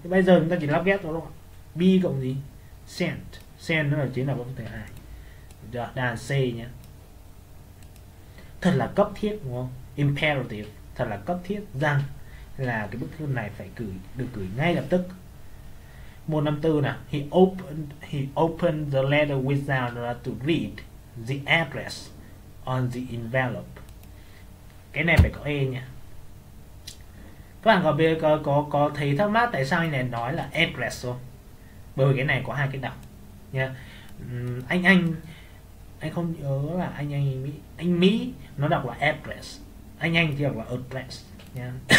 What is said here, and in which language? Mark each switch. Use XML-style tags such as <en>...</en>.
<vi>Bây giờ chúng ta chỉ lắp ghép nó thôi, b cộng gì, cent, cent nó là chính là với thứ hai. Đó, đàn c nhé, thật là cấp thiết đúng không? Imperative, thật là cấp thiết rằng là cái bức thư này phải gửi, được gửi ngay lập tức. 154 nè.</vi> <en>He opened the letter without to read the address on the envelope.</en> <vi>Cái này phải có e nha. Các bạn có thấy thắc mắc tại sao anh này nói là address không? Bởi vì cái này có hai cái đọc nha. Anh không nhớ là anh Mỹ nó đọc là address. Anh thì đọc là address nha.</vi>